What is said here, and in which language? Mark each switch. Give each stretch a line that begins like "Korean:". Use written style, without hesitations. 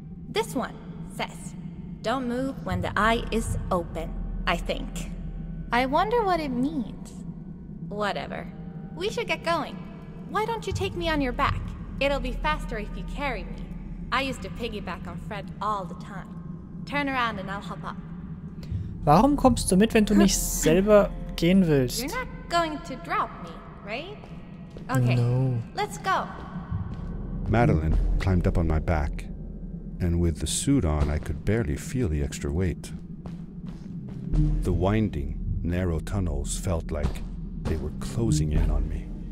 English: This one says, don't move when the eye is open, I think. I wonder what it means. Whatever. We should get going. Why don't you take me on your back? It'll be faster if you carry me. I used to piggyback on Fred all the time. Turn around and I'll hop up.
German: Warum kommst du mit, wenn du nicht selber gehen willst?
English: You're not going to drop me, right? Okay, no. Let's go. Madeline climbed up on my back, and with the suit on, I could barely feel the extra weight. The winding, narrow tunnels felt like they were closing in on me.